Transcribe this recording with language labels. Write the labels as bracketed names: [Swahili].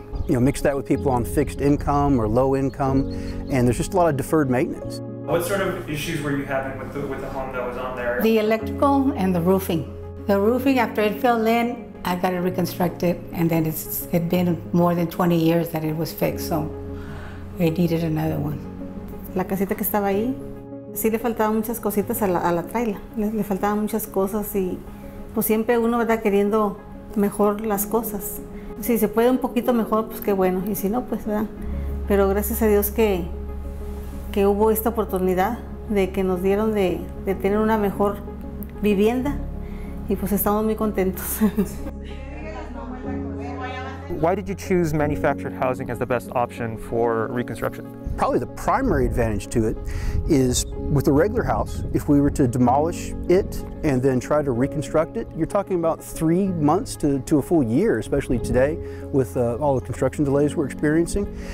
[English] You know, mix that with people on fixed income or low income, and there's just a lot of deferred maintenance. What sort of issues were you having with the home that was on there? The electrical and the roofing. The roofing, after it fell in, I got it reconstructed, and then it's been more than 20 years that it was fixed, so. I needed another one. [Spanish] La casita que estaba ahí, sí le faltaban muchas cositas a la traila. Le faltaban muchas cosas y pues siempre uno, ¿verdad?, queriendo mejor las cosas. Si se puede un poquito mejor, pues qué bueno. Y si no, pues, ¿verdad? Pero gracias a Dios que hubo esta oportunidad de que nos dieron de tener una mejor vivienda y pues estamos muy contentos. [English] Why did you choose manufactured housing as the best option for reconstruction? Probably the primary advantage to it is with a regular house, if we were to demolish it and then try to reconstruct it, you're talking about 3 months to a full year, especially today with all the construction delays we're experiencing.